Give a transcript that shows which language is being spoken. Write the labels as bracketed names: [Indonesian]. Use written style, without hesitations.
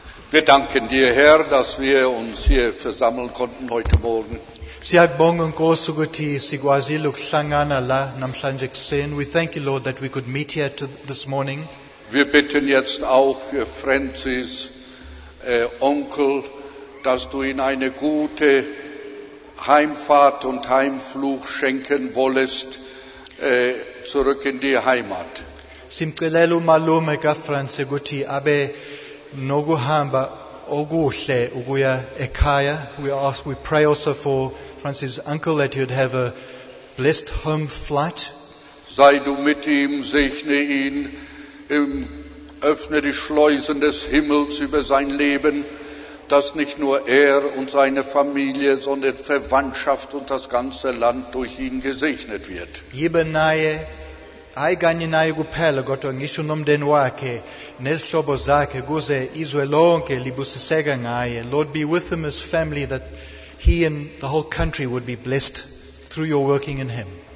[German] Wir danken dir, Herr, dass wir uns hier versammeln konnten heute Morgen. [Zulu] Siyabonga Nkosi ukuthi sikwazile ukuhlangana la namhlanje kuseni. [English] We thank you, Lord, that we could meet here this morning. [German] Wir bitten jetzt auch für Francis, Onkel, dass du ihn eine gute Heimfahrt und Heimflug schenken wollest, zurück in die Heimat. [Zulu] Simcelele umalume kaFrance ukuthi abe nokuhamba okuhle ukuya ekhaya. [English] We pray also for Francis' uncle that he would have a blessed home flight. [German] Sei du mit ihm, segne ihn. Öffne die Schleusen des Himmels über sein Leben, dass nicht nur und seine Familie, sondern Verwandtschaft und das ganze Land durch ihn gesegnet wird. [English] Lord, be with him as family, that he and the whole country would be blessed through your working in him.